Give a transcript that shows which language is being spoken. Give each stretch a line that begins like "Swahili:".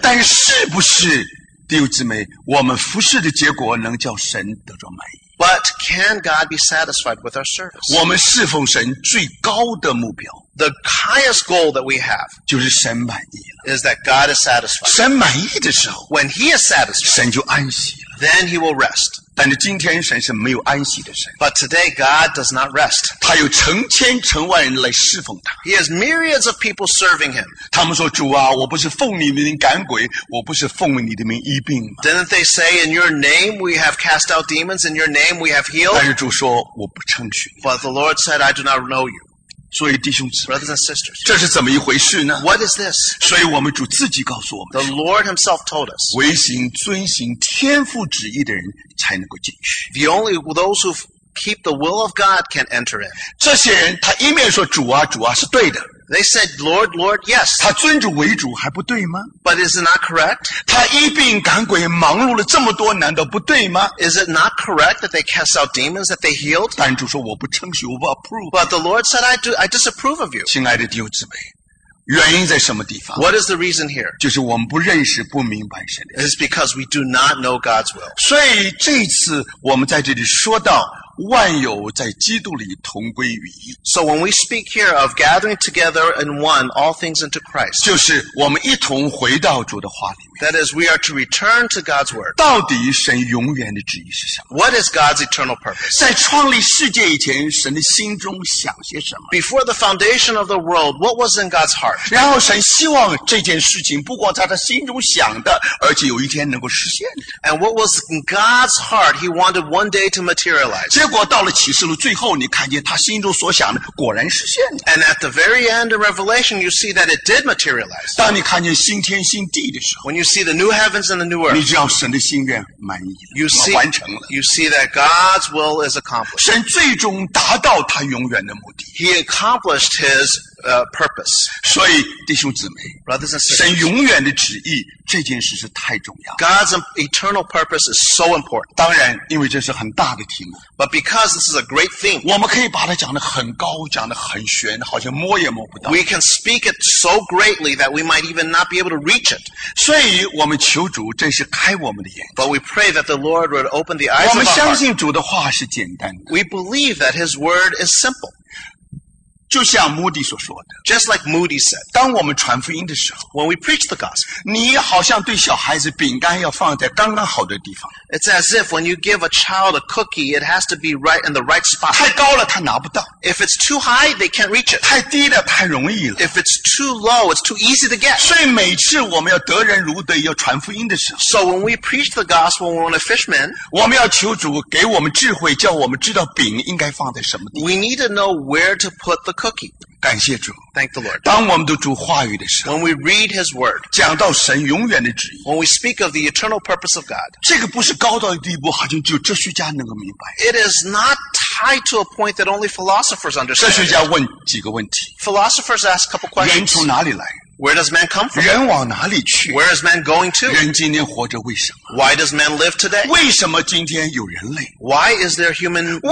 Chinese: 但是不是弟兄姊妹，我们服事的结果能叫神得着满意？
English: But can God be satisfied with our service?
Chinese: 我们侍奉神最高的目标
English: The highest goal that we have
Chinese: 就是神满意了
English: is that God is satisfied.
Chinese: 神满意的时候
English: When he is satisfied,
Chinese: 神就安息了
English: Then he will rest.
Chinese: 但是今天神是没有安息的神
English: But today God does not rest.
Chinese: 他有成千成万人来侍奉他
English: He has myriads of people serving him.
Chinese: 他们说主啊我不是奉你的名赶鬼我不是奉你的名医病吗
English: Didn't they say in your name we have cast out demons in your name? We have healed,
Chinese: 但是主说我不称许。
English: But the Lord said, "I do not know you."
Chinese: 所以弟兄姊妹
English: brothers and sisters,
Chinese: 这是怎么一回事呢
English: ？What is this?
Chinese: 所以我们主自己告诉我们
English: ，The Lord Himself told us,
Chinese: 唯行遵行天父旨意的人才能够进去。
English: The only those who keep the will of God can enter in.
Chinese: 这些人他一面说主啊主啊是对的。
English: They said, Lord, Lord, yes.
Chinese: 他尊主为主还不对吗
English: ？But is it not correct?
Chinese: 他医病赶鬼忙碌了这么多，难道不对吗
English: ？Is it not correct that they cast out demons that they healed?
Chinese: 但主说我不称许，我不 approve.
English: But the Lord said, I disapprove of you.
Chinese: 亲爱的弟兄姊妹，原因在什么地方
English: ？What is the reason here?
Chinese: 就是我们不认识、不明白神的。
English: It's because we do not know God's will.
Chinese: 所以这次我们在这里说到。万有在基督里同归于一。
English: So when we speak here of gathering together in one all things into Christ,
Chinese: 就是我们一同回到主的话里面。
English: That is, we are to return to God's word.
Chinese: 到底神永远的旨意是什么
English: ？What is God's eternal purpose?
Chinese: 在创立世界以前，神的心中想些什么
English: ？Before the foundation of the world, what was in God's heart?
Chinese: 然后神希望这件事情不光在他心中想的，而且有一天能够实现。
English: And what was in God's heart? He wanted one day to materialize.
Chinese: 结果到了启示录最后，你看见他心中所想的果然实现了。
English: And at the very end of Revelation, you see that it did materialize.
Chinese: 当你看见新天新地的时候
English: ，When you see the new heavens and the new earth,
Chinese: 你知道神的心愿满意了
English: ，You see
Chinese: 完成了。
English: You see that God's will is accomplished.
Chinese: 神最终达到他永远的目的。
English: He accomplished his purpose.
Chinese: 所以弟兄姊妹
English: ，Brothers and sisters,
Chinese: 神永远的旨意这件事是太重要。
English: God's eternal purpose is so important.
Chinese: 当然，因为这是很大的题目。
English: But because this is a great thing,
Chinese: 我们可以把它讲得很高，讲得很玄，好像摸也摸不到。
English: We can speak it so greatly that we might even not be able to reach it.
Chinese: 所以我们求主真是开我们的眼睛。
English: But we pray that the Lord would open the eyes of our
Chinese: heart. 我们相信主的话是简单的。
English: We believe that His word is simple.
Chinese: 就像 Moody 所说的
English: ，Just like Moody said，
Chinese: 当我们传福音的时候
English: ，When we preach the gospel，
Chinese: 你好像对小孩子饼干要放在刚刚好的地方。
English: It's as if when you give a child a cookie， it has to be right in the right spot。
Chinese: 太高了，他拿不到。
English: If it's too high， they can't reach it。
Chinese: 太低了，太容易了。
English: If it's too low， it's too easy to get。
Chinese: 所以每次我们要得人如得，要传福音的时候
English: ，So when we preach the gospel， we want to fish men。
Chinese: 我们要求主给我们智慧，叫我们知道饼应该放在什么地方。
English: We need to know where to put the cookie.
Chinese: 感谢主。
English: Thank the Lord.
Chinese: 当我们读主话语的时候
English: ，When we read His word，
Chinese: 讲到神永远的旨意
English: ，When we speak of the eternal purpose of God，
Chinese: 这个不是高到的地步，好像只有哲学家能够明白。
English: It is not tied to a point that only philosophers understand.
Chinese: 哲学家问几个问题。
English: Philosophers ask a couple questions.
Chinese: 人从哪里来？
English: Where does man come from?
Chinese: 人往哪里去？
English: Where is man going to?
Chinese: 人今天活着为什么？
English: Why does man live today?
Chinese: 为什么今天有人类？
English: Why is there human race?